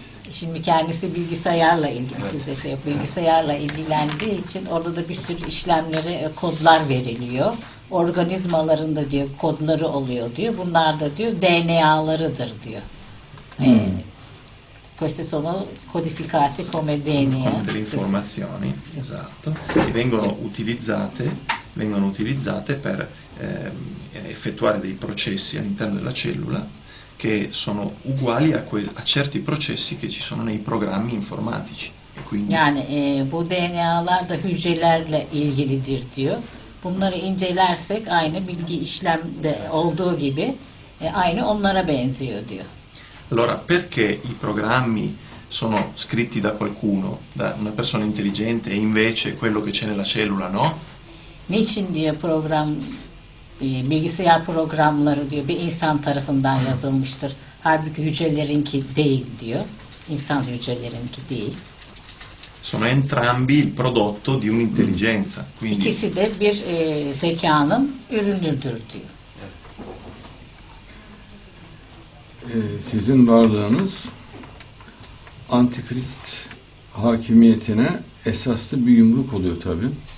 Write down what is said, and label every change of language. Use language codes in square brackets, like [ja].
[tr] Şimdi kendisi bilgisayarla ilgilisiz de şey, bilgisayarla ilgilendiği için orada da bir sürü işlemlere kodlar veriliyor. organizmalarında diyor kodları oluyor diyor. Bunlar da diyor DNA'larıdır diyor. [it] Queste sono codificate come DNA. Con delle informazioni, sì. Esatto, e vengono utilizzate per effettuare dei processi all'interno della cellula che sono uguali a certi processi che ci sono nei programmi informatici. E quindi. [tr] Yani bu DNA'lar da hücrelerle ilgilidir diyor. Bunları incelersek aynı bilgi işlemde olduğu gibi aynı onlara benziyor diyor. [it] Allora, perché i programmi sono scritti da qualcuno, da una persona intelligente, e invece quello che c'è nella cellula, no? [tr] Niçin diyor program, bilgisayar programları diyor, bir insan tarafından yazılmıştır. Halbuki hücrelerinki değil diyor, insan hücrelerinki değil. [it] Sono entrambi il prodotto di un'intelligenza. Quindi... [tr] İkisi de bir zekanın ürünüdür diyor. Sizin varlığınız antikrist hakimiyetine esaslı bir yumruk oluyor tabii.